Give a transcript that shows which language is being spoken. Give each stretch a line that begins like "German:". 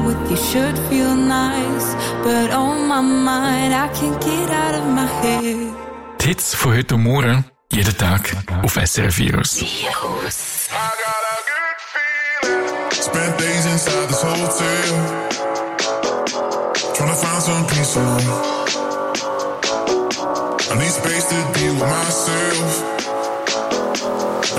English: you should feel nice, but on my mind, I can't get out of my head.
German: Die Hits von heute und morgen, jeden Tag auf SRF Virus.
English: Spent days inside this hotel, trying to find some peace of mind. I need space to deal with myself.